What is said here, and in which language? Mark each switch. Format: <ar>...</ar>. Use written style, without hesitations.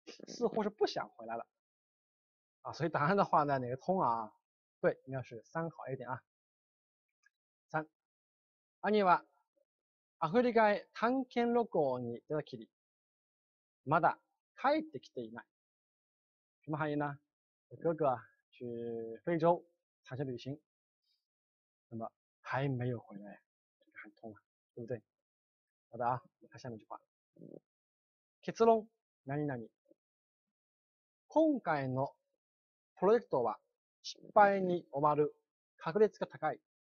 <zh>似乎是不想回来了。啊，所以答案的话呢，哪个通啊？对，应该是三好一点啊。三。</zh> <ja>兄はアフリカへ探検旅行に出たきり。まだ帰ってきていない。</ja> <zh>什么含义呢？哥哥。去非洲探险旅行，那么还没有回来，这个很痛啊，对不对？好的啊，我们看下面一句话。</zh> <ja>結論、何々。今回のプロジェクトは失敗に終わる確率が高い。</ja>